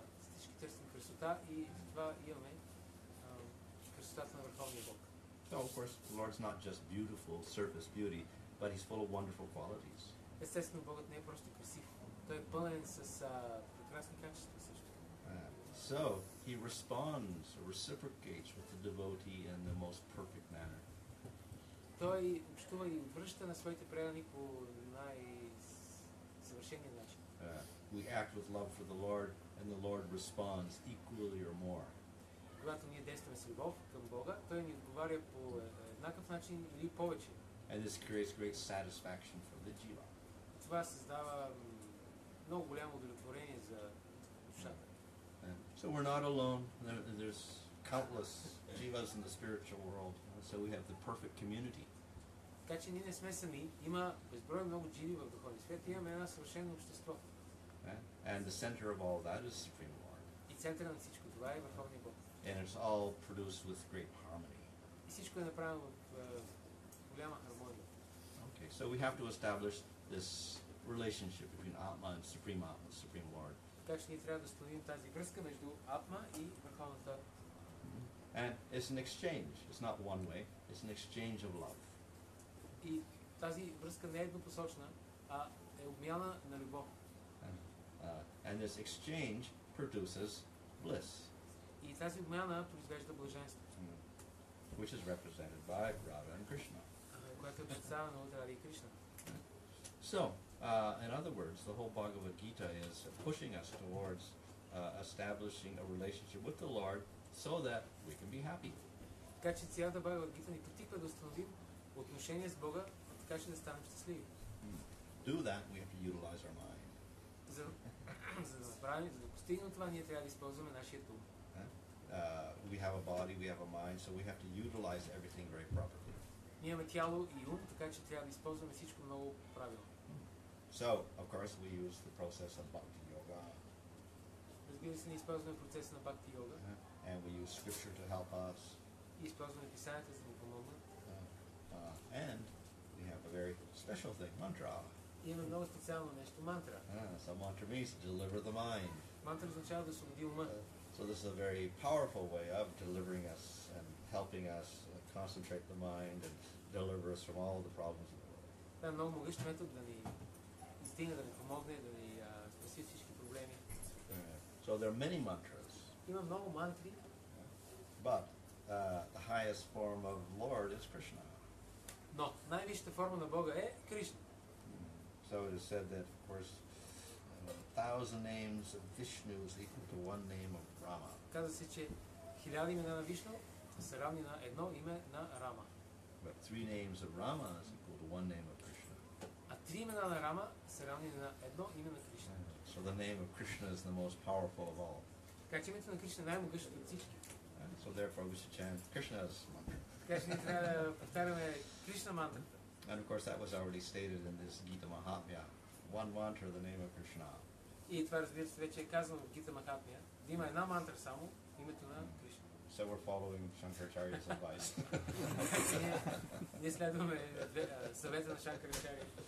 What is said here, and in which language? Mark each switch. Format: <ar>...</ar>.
<bg>Всички търсим красота и затова имаме красотата на Върховния Бог.</bg> <en>So of course, the Lord's not just beautiful, surface beauty, but he's full of wonderful qualities.</en> <bg>Естествено, Богът не е просто красив. Той е пълен с прекрасни качества също.</bg> <en>So, he responds, reciprocates with the devotee in the most perfect manner.</en> <bg>Той общува и връща на своите предани по най-съвършения начин.</bg> <en>we act with love for the Lord, and the Lord responds equally or more.</en> <bg>Когато ние действаме с любов към Бога, Той ни отговаря по еднакъв начин или повече.</bg> <en>And this creates great satisfaction for the jiva.</en> <bg>Това създава много голямо удовлетворение за душата.</bg> <en>So we're not alone. There's countless jivas in the spiritual world. So we have the perfect community.</en> <bg>Така че ние не сме сами. Има безброй много живи в духовен свят. Имаме едно съвършено общество.</bg> <en>And the center of all that is Supreme Lord.</en> <bg>И центъра на всичко това е Върховния Бог.</bg> <en>And it's all produced with great harmony.</en> <bg>И всичко е направено в голяма хармония.</bg> <en>Okay, so we have to establish this relationship between Atma and Supreme Atma, Supreme Lord.</en> <bg>Така че ние трябва да установим тази връзка между Атма и Върховната.</bg> <en>And it's an exchange. It's not one way. It's an exchange of love.</en> <bg>И тази връзка не е еднопосочна, а е обмяна на любов.</bg> <en>And this exchange produces bliss.</en> <bg>И тази обмяна произвежда блаженство.</bg> <en>Which is represented by Radha and Krishna.</en> <bg>Което е представено от Радха и Кришна.</bg> <en>So, in other words, the whole Bhagavad Gita is pushing us towards establishing a relationship with the Lord so that we can be happy.</en> <bg>Така че цялата Бхагавад Гита ни притиква да установим отношение с Бога, така че да станем щастливи.</bg> <en>Do that, we have to utilize our mind.</en> <bg>За да постигнем това, ние трябва да използваме нашия ум.</bg> <en>We have a body, we have a mind, so we have to utilize everything very properly.</en> <bg>Ние имаме тяло и ум, така че трябва да използваме всичко много правилно.</bg> <en>So, of course, we use the process of Bhakti Yoga.</en> <bg>Разбира се, ние използваме процеса на Бхакти Йога.</bg> <en>And we use scripture to help us.</en> <bg>И използваме писанията, за да ни помогнат.</bg> <en>And we have a very special thing, mantra.</en> <bg>И имаме много специално нещо, мантра.</bg> <en>So mantra means deliver the mind.</en> <bg>Мантра означава да освободи ума.</bg> <en>So this is a very powerful way of delivering us and helping us concentrate the mind and deliver us from all the problems in the world.</en> <bg>Това е много могъщ метод да ни стигне, да ни помогне, да ни спаси всички проблеми.</bg> <en>So there are many mantras.</en> <bg>Има много мантри.</bg> <en>But the highest form of Lord is Krishna.</en> <bg>Но най-висшата форма на Бога е Кришна.</bg> <en>So it is said that, of course, a thousand names of Vishnu is equal to one name of Rama.</en> <bg>Казва се, че хиляди имена на Вишну са равни на едно име на Рама.</bg> <en>But three names of Rama is equal to one name of Krishna.</en> <bg>А три имена на Рама са равни на едно име на Кришна.</bg> <en>So the name of Krishna is the most powerful of all.</en> <bg>Така че името на Кришна е най-могъщото от всички.</bg> <en>So therefore we should chant Krishna's mantra.</en> <bg>Така че ние трябва да повтаряме Кришна мантра.</bg> <en>And of course that was already stated in this Gita Mahatmya. One mantra, the name of Krishna.</en> <bg>И това, разбира се, вече е казано в Гита Махатмия. Да има една мантра само, името на Кришна.</bg> <en>So we're following Shankaracharya's advice.</en> <bg>Ние следваме съвета на Shankaracharya.</bg>